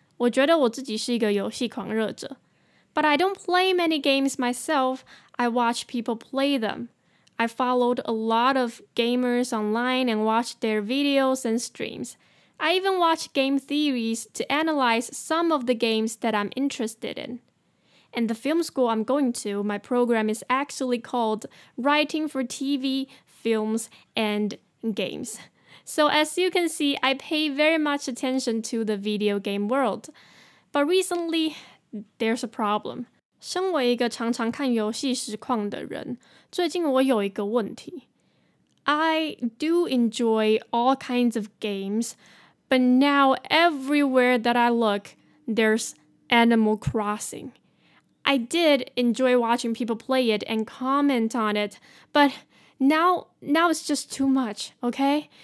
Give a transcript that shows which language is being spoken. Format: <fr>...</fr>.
<zh>我觉得我自己是一个游戏狂热者。</zh> <en>But I don't play many games myself, I watch people play them. I followed a lot of gamers online and watched their videos and streams. I even watch game theories to analyze some of the games that I'm interested in. And the film school I'm going to, my program is actually called Writing for TV, Films, and Games. So as you can see, I pay very much attention to the video game world. But recently, there's a problem.</en> <zh>身为一个常常看游戏实况的人，最近我有一个问题。</zh> <en>I do enjoy all kinds of games, but now everywhere that I look, there's Animal Crossing. I did enjoy watching people play it and comment on it, but now it's just too much, okay?</en>